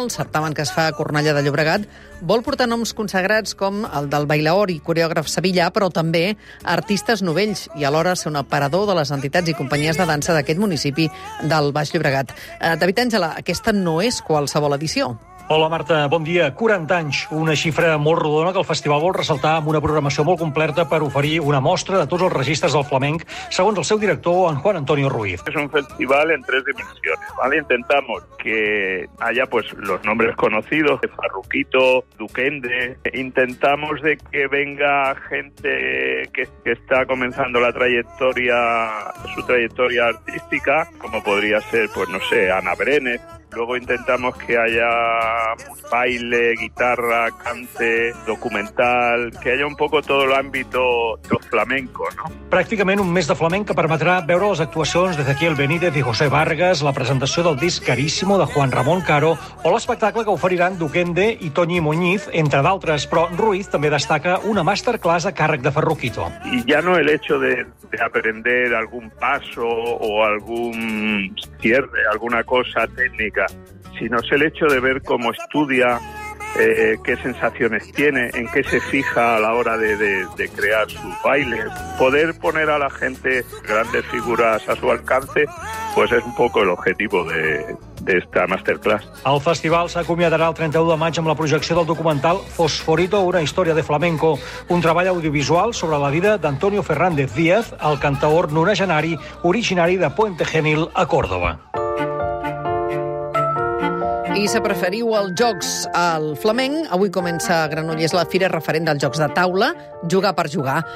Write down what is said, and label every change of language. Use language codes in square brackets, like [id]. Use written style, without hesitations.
[ca] El certamen que es fa a Cornellà de Llobregat vol portar noms consagrats com el del bailaor i coreògraf sevillà, però també artistes novells i alhora ser un aparador de les entitats i companyies de dansa d'aquest municipi del Baix Llobregat. David Àngela, aquesta no és qualsevol edició. Hola, Marta, bon dia. 40 anys, una xifra molt rodona que el festival vol ressaltar amb una programació molt completa per oferir una mostra de tots els registres del flamenc, segons el seu director, en Juan Antonio Ruiz. És un festival en tres dimensions. [es] ¿Vale? Intentamos que haya pues los nombres conocidos, Farruquito, Duquende. Intentamos de que venga gente que está comenzando la trayectoria, su trayectoria artística, como podría ser, pues no sé, Ana Brenes. Luego intentamos que haya baile, guitarra, cante, documental, que haya un poco todo el ámbito del flamenco, ¿no? [ca] Pràcticament un mes de flamenc que permetrà veure les actuacions de Ezequiel Benítez i José Vargas, la presentació del disc Carísimo de Juan Ramón Caro o l'espectacle que oferiran Duquende i Toñi Moñiz, entre d'altres. Però Ruiz també destaca una masterclass a càrrec de Ferruquito. [es] Y ya no el hecho de aprender algún paso o algún cierre, alguna cosa técnica, sino es el hecho de ver cómo estudia, qué sensaciones tiene, en qué se fija a la hora de crear sus bailes. Poder poner a la gente grandes figuras a su alcance, pues es un poco el objetivo d'esta masterclass. [ca] El festival s'acomiadarà el 31 de maig amb la projecció del documental Fosforito, una història de flamenco, un treball audiovisual sobre la vida d'Antonio Fernández Díaz, el cantaor nonagenari originari de Puente Genil, a Córdoba. I si preferiu els jocs al flamenc, avui comença a Granollers la fira referent dels jocs de taula, Jugar per Jugar.